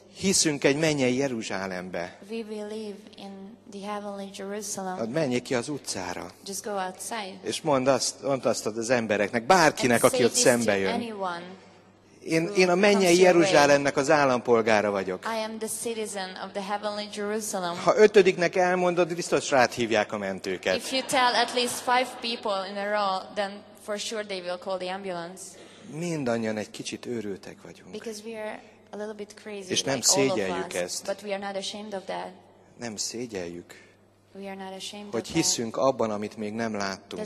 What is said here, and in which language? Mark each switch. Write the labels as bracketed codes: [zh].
[hu] Hiszünk egy mennyei Jeruzsálembe. [en] We believe in the heavenly Jerusalem. [hu] Hát menjél ki az utcára. [en] Just go outside. [hu] És mondd azt az embereknek, bárkinek, aki ott szembe jön. Én a mennyei Jeruzsálemnek az állampolgára vagyok. [en] I am the citizen of the heavenly Jerusalem. [hu] Ha ötödiknek elmondod, biztos rád hívják a mentőket. [en] If you tell at least five people in a row, then for sure they will call the ambulance. [hu] Mindannyian egy kicsit őrültek vagyunk. [en] Because we are a little bit crazy. [hu] És nem [en] like [hu] szégyeljük [en] us, [hu] ezt. [en] But we are not ashamed of that. [hu] Nem szégyeljük. [en] We are not ashamed [hu] hogy [en] of [hu] hiszünk [en] that. [hu] Abban, amit még nem láttunk.